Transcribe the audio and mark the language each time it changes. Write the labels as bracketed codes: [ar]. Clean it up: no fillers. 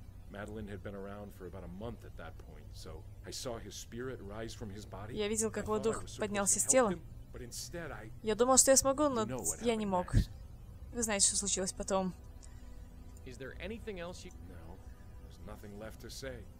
[en] Мэдлин had been around for about a month at that point, so I saw his spirit rise from his body. [ru] Я видел, как его дух поднялся с тела. Я думал, что я смогу, но я не мог. Вы знаете, что случилось потом. [en] Is there anything else you... No, there's nothing left to say.